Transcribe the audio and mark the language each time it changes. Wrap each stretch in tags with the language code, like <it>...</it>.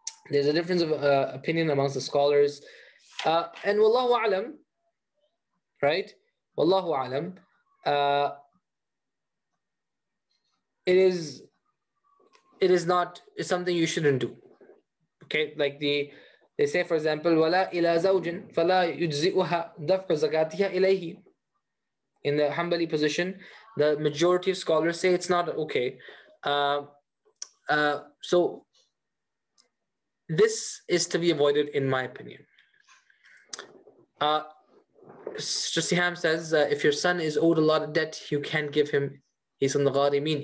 <en>There's a difference of opinion amongst the scholars. And wallahu alam, right? Wallahu alam. It's something you shouldn't do. Okay, like they say, for example,</en> <ar>وَلَا إِلَىٰ زَوْجٍ فَلَا يُجْزِئُهَا دَفْعُ زَكَاتِهَا إِلَيْهِ.</ar> <en>In the Hanbali position, the majority of scholars say it's not okay. So this is to be avoided, in my opinion. Siham says, if your son is owed a lot of debt, you can't give him. He's on the gharimin.</en>